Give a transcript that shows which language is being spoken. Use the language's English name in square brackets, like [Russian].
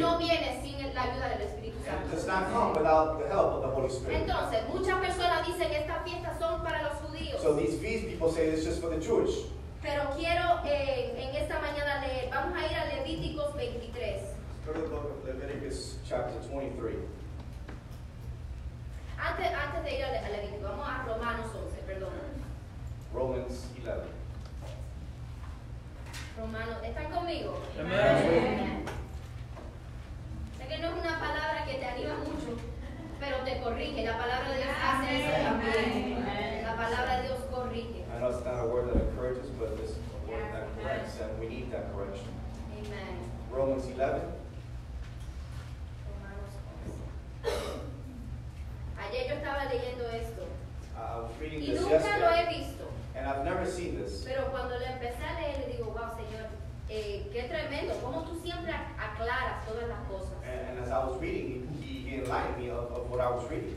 [Spanish] Y no viene sin la ayuda del Espíritu Santo. [English] And it does not come without the help of the Holy Spirit. [Spanish] Entonces, muchas personas dicen que estas fiestas son para los judíos. [English] So these feasts, people say, it's just for the Jewish. [Spanish] Pero quiero en esta mañana leer. Vamos a ir a Levíticos 23. [English] Let's go to the book of Leviticus chapter 23. [Spanish] Antes de ir a Levítico, vamos a Romanos 11, perdón. [English] Romans 11. [Spanish] Romanos, ¿están conmigo? Amén. Sé que no es una palabra que te anima mucho, pero te corrige. La palabra de Dios hace eso también. [English] Amen. [Spanish] La palabra de Dios corrige. [English] I know it's not a word that encourages, but it's a word that corrects, and we need that correction. Amen. Romans 11. [Spanish] Romanos 11. Ayer yo estaba leyendo esto. [English] I was reading [Spanish] y [English] this [Spanish] nunca [English] yesterday. [Spanish] Lo he visto. [English] And I've never seen this. [Spanish] Pero cuando le empecé a leer, le digo, wow, Señor, qué tremendo. Cómo tú siempre aclaras todas las cosas. [English] And as I was reading, he enlightened me of what I was reading.